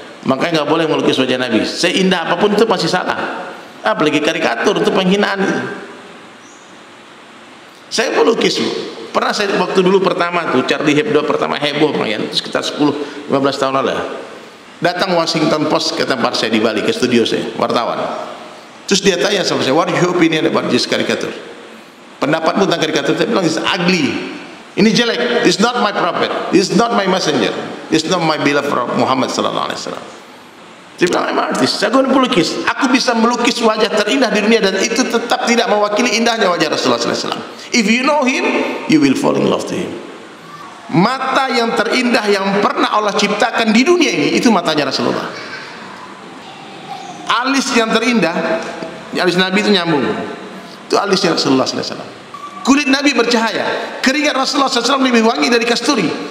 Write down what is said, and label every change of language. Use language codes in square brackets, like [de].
[id] Makanya enggak boleh melukis wajah Nabi. Seindah apapun itu pasti salah. Apalagi karikatur, itu penghinaan. Saya melukis. Pernah saya waktu dulu pertama tuh Charlie Hebdo pertama heboh kan, sekitar 10-15 tahun lalu. Datang Washington Post ke tempat saya di Bali, ke studio saya, wartawan. Terus dia tanya sama saya, [en] what your opinion about this caricature? [id] Pendapatmu tentang caricature, saya bilang, [en] it's ugly. [id] Ini jelek, [en] it's not my prophet, it's not my messenger, it's not my beloved Muhammad sallallahu alaihi wasallam. [id] Dia bilang, [en] I'm artist, [id] saya guna pelukis. Aku bisa melukis wajah terindah di dunia dan itu tetap tidak mewakili indahnya wajah Rasulullah sallallahu alaihi wasallam. [en] If you know him, you will fall in love to him. [id] Mata yang terindah yang pernah Allah ciptakan di dunia ini, itu matanya Rasulullah. Alis yang terindah, alis Nabi itu nyambung, itu alisnya Rasulullah SAW. Kulit Nabi bercahaya, keringat Rasulullah SAW lebih wangi dari kasturi.